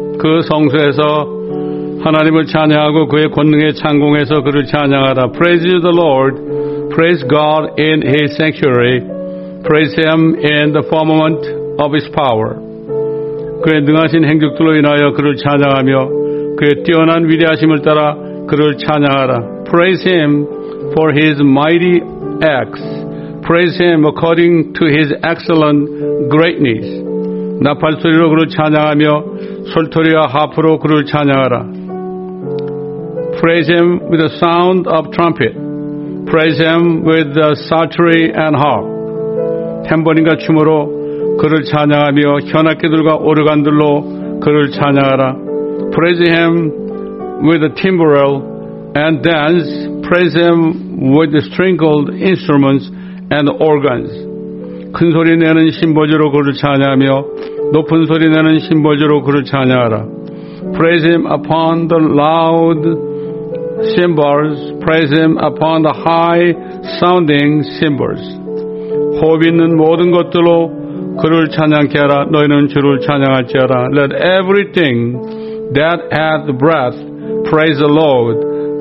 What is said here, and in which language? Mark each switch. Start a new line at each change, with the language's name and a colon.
Korean: 그 성소에서 하나님을 찬양하고 그의 권능의 창궁에서 그를 찬양하라.
English: Praise the Lord. Praise God in His sanctuary. Praise Him in the firmament of His power.
Korean: 그의 능하신 행적들로 인하여 그를 찬양하며 그의 뛰어난 위대하심을 따라 그를 찬양하라.
English: Praise Him for His mighty acts. Praise Him according to His excellent greatness.
Korean: 나팔소리로 그를 찬양하며 솔토리와 하프로 그를 찬양하라.
English: Praise Him with the sound of trumpet. Praise Him with the psaltery and harp.
Korean: 탬버린과 춤으로 그를 찬양하며 현악기들과 오르간들로 그를 찬양하라.
English: Praise Him with the timbrel and dance. Praise Him with the stringed instruments and organs.
Korean: 큰 소리 내는 심벌즈로 그를 찬양하며 높은 소리 내는 심벌즈로 그를 찬양하라.
English: Praise Him upon the loud cymbals. Praise Him upon the high sounding cymbals.
Korean: 호흡 있는 모든 것들로 그를 찬양케 하라. 너희는 주를 찬양할지어라.
English: Let everything that hath breath praise the Lord.